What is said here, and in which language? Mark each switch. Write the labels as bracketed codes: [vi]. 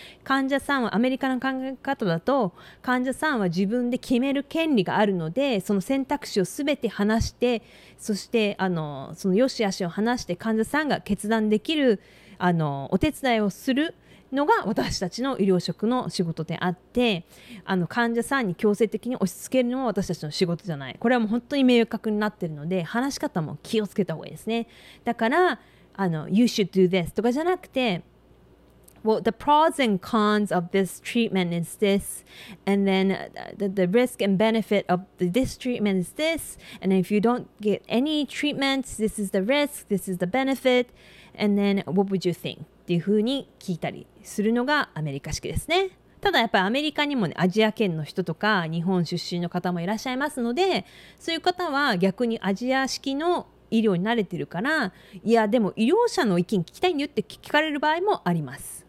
[ja] 患者さんはアメリカの考え方だと、患者さんは自分で決める権利があるので、その選択肢をすべて話して、そしてその良し悪しを話して、患者さんが決断できるお手伝いをするのが私たちの医療職の仕事であって、患者さんに強制的に押し付けるのも私たちの仕事じゃない。これはもう本当に明確になってるので、話し方も気をつけた方がいいですね。だから [en] You should do this とかじゃなくて、 Well, the pros and cons of this treatment is this, and then the risk and benefit of this treatment is this, and if you don't get any treatments, this is the risk, this is the benefit, and then what would you think? [ja] っていう風に聞いたりするのがアメリカ式ですね。ただやっぱりアメリカにもね、アジア圏の人とか日本出身の方もいらっしゃいますので、そういう方は逆にアジア式の医療に慣れてるから、いやでも医療者の意見聞きたいんだよって聞かれる場合もあります。